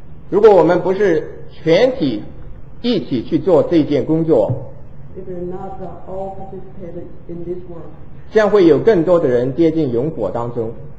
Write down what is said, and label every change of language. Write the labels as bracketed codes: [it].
[zh] 如果我们不是全体一起去做这件工作， [en] If you're not all participated in this work, [zh] 将会有更多的人跌进永火当中。